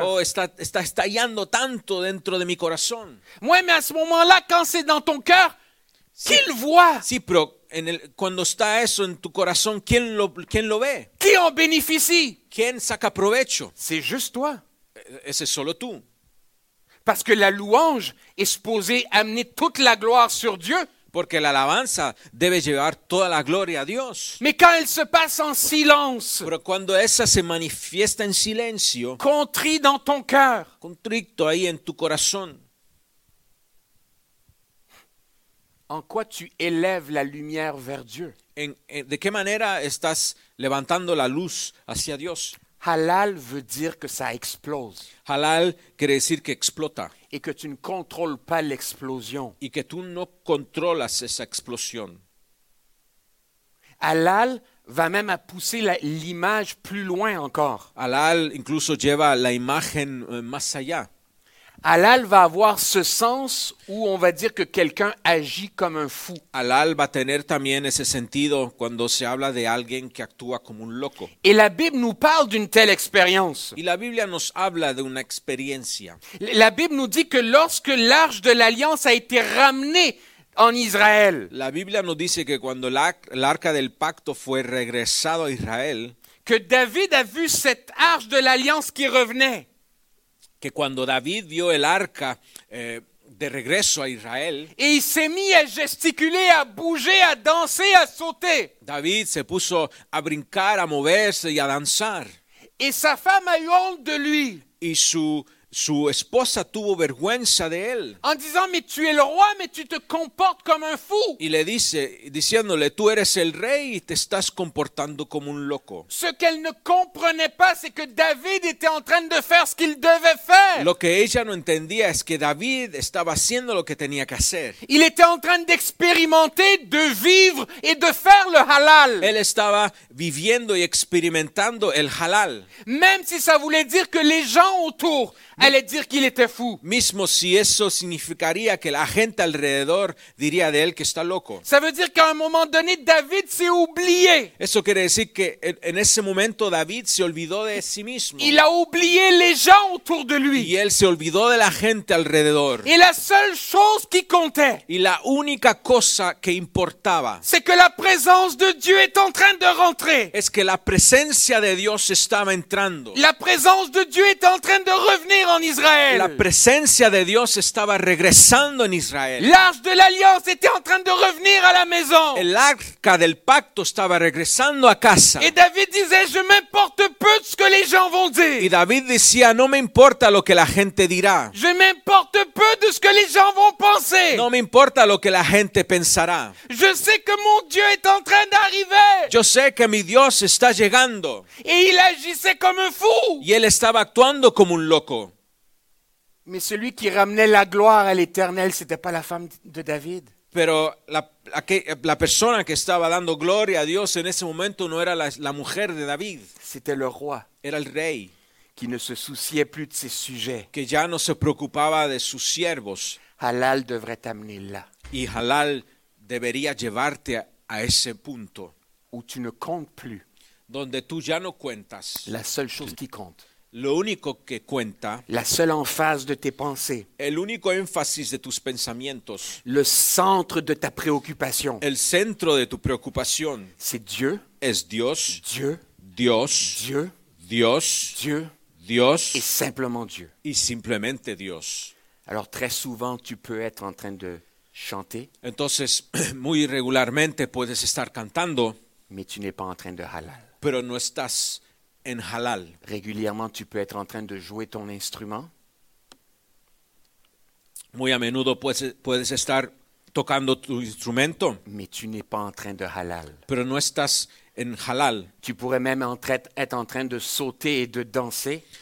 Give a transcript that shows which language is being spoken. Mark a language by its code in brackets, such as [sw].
[es] Oh, está estallando tanto dentro de mi corazón. [fr] Ouais, mais à ce moment-là, quand c'est dans ton cœur, [es] sí. [fr] Qui le voit? [es] Sí, pero cuando está eso en tu corazón, ¿quién lo ve? [fr] Qui en bénéficie? [es] ¿Quién saca provecho? [fr] C'est juste toi. Et c'est [es] solo tu. [fr] Parce que la louange est supposée amener toute la gloire sur Dieu. [es] Porque la alabanza debe llevar toda la gloria a Dios. [fr] Mais quand elle se passe en silence. [es] Pero cuando esa se manifiesta en silencio. [fr] Contrit dans ton cœur. [es] Contrito ahí en tu corazón. [fr] En quoi tu élèves la lumière vers Dieu? [es] De qué manera estás levantando la luz hacia Dios? [fr] Halal veut dire que ça explose. [es] Halal quiere decir que explota. [fr] Et que tu ne contrôles pas l'explosion. [es] Y que tú no controlas esa explosión. [fr] Halal va même à pousser l'image plus loin encore. [es] Halal incluso lleva la imagen más allá. [fr] Halal va avoir ce sens où on va dire que quelqu'un agit comme un fou. [es] Halal va tener también ese sentido cuando se habla de alguien que actúa como un loco. [fr] Et la Bible nous parle d'une telle expérience. [es] Y la Biblia nos habla de una experiencia. [fr] La Bible nous dit que lorsque l'arche de l'alliance a été ramenée en Israël. [es] La Biblia nos dice que cuando l'arca del pacto fue regresado a Israel. [fr] Que David a vu cette arche de l'alliance qui revenait. [es] Que cuando David vio el arca de regreso a Israel, [fr] et il s'est mis à gesticuler, à bouger, à danser, à sauter. [es] David se puso a brincar, a moverse y a danzar. [fr] Et sa femme a eu honte de lui. [es] Y su esposa tuvo vergüenza de él. [fr] En disant, mais tu es le roi, mais tu te comportes comme un fou. [es] Y le dice, diciéndole, tú eres el rey y te estás comportando como un loco. [fr] Ce qu'elle ne comprenait pas, c'est que David était en train de faire ce qu'il devait faire. [es] Lo que ella no entendía es que David estaba haciendo lo que tenía que hacer. [fr] Il était en train d'expérimenter, de vivre et de faire le halal. [es] Él estaba viviendo y experimentando el halal. [fr] Même si ça voulait dire que les gens autour allait dire qu'il était fou. [es] Mismo si eso significaría que la gente alrededor diría de él que está loco. [fr] Ça veut dire qu'à un moment donné, David s'est oublié. [es] Eso quiere decir que en ese momento David se olvidó de sí mismo. [fr] Il a oublié les gens autour de lui. [es] Y él se olvidó de la gente alrededor. [fr] Et la seule chose qui comptait. [es] Y la única cosa que importaba. [fr] C'est que la présence de Dieu est en train de rentrer. [es] Es que la presencia de Dios estaba entrando. [fr] La présence de Dieu est en train de revenir. [es] En Israel. La presencia de Dios estaba regresando en Israel. [fr] L'arche de l'alliance était en train de revenir à la maison. [es] El arca del pacto estaba regresando a casa. [fr] Et David disait, je m'importe peu de ce que les gens vont dire. [es] Y David decía, no me importa lo que la gente dirá. [fr] Je m'importe peu de ce que les gens vont penser. [es] No me importa lo que la gente pensará. [fr] Je sais que mon Dieu est en train d'arriver. [es] Yo sé que mi Dios está llegando. [fr] Et il agissait comme un fou. [es] Y él estaba actuando como un loco. [fr] Mais celui qui ramenait la gloire à l'Éternel, c'était pas la femme de David. [es] Pero la persona que estaba dando gloria a Dios en ese momento no era la mujer de David. [fr] C'était le roi. [es] Era el rey. [fr] Qui ne se souciait plus de ses sujets. [es] Que ya no se preocupaba de sus siervos. [fr] Halal devrait t'amener là. [es] Y Halal debería llevarte a ese punto. [fr] Où tu ne comptes plus. [es] Donde tú ya no cuentas. [fr] La seule chose qui compte. [es] Lo único que cuenta, [fr] la seule emphase de tes pensées, [es] el único énfasis de tus pensamientos, [fr] le centre de ta préoccupation, [es] el centro de tu preocupación, [fr] c'est Dieu, [es] es Dios, [fr] Dieu, [es] Dios, [fr] Dieu, [es] Dios, [fr] Dieu, [es] Dios, [fr] et simplement Dieu, [es] y simplemente Dios. [fr] Alors très souvent tu peux être en train de chanter, [es] entonces muy regularmente puedes estar cantando, [fr] mais tu n'es pas en train de halal, [es] pero no estás en halal. [fr] Régulièrement, tu peux être en train de jouer ton instrument. [es] Muy a menudo puedes estar tocando tu instrumento. [fr] Mais tu n'es pas en train de halal. [es] Pero no estás en halal. [fr] Tu pourrais même être en train de sauter et de danser.